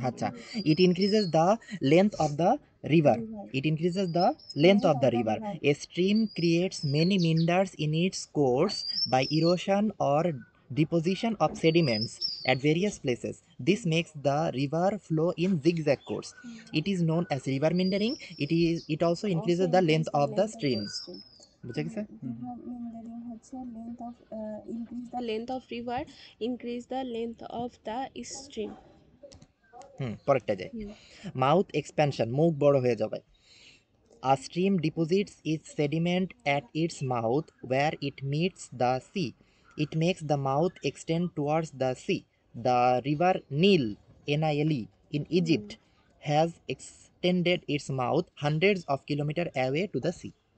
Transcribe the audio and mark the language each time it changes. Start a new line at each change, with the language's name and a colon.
English: আচ্ছা it increases the length of the river, it increases the length of the river, a stream creates many meanders in its course by erosion or deposition of sediments at various places. This makes the river flow in zigzag course. It is known as river meandering. It also increases the length of the stream.
Bangla: বুঝে গেছে?
English: Meandering হচ্ছে length of increase the length of river, increase the length of the stream.
Bangla: পরেরটা যাই, mouth expansion, মুখ বড় হয়ে যাবে।
English: A stream deposits its sediment at its mouth where it meets the sea. It makes the mouth extend towards the sea. The river Nile, N-I-L-E, in Egypt has extended its mouth hundreds of kilometers away to the sea.